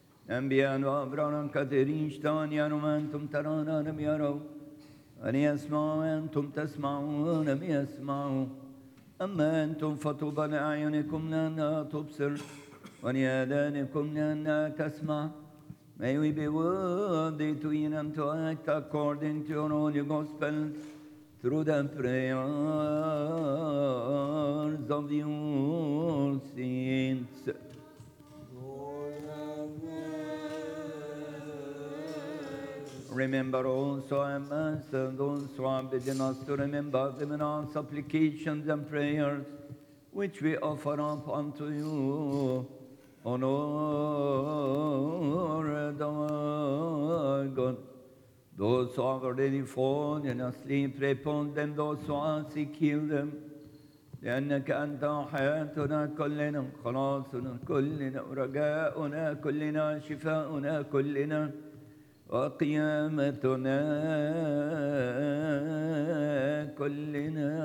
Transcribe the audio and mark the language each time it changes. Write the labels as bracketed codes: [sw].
[ar] أنبياء وأبرارا كثيرين اجتمعن يروا أنتم ترون لم يروا أن يسمعوا أنتم تسمعون لم يسمعوا أما أنتم فطوبى لأعينكم لأنها تبصر ولأذانكم لأنها تسمع. [en] May we be worthy to hear and to act according to your holy gospel through the prayers of your saints. Lord have mercy. Remember also our mercy and those who have bidden us to remember them in our supplications and prayers which we offer up unto you. O Lord, our God, those who have already fallen asleep, pray upon them, those who are sick, heal them. [ar] لأنك أنت حياتنا كلنا خلاصنا كلنا ورجاؤنا كلنا شفاؤنا كلنا وقيامتنا كلنا.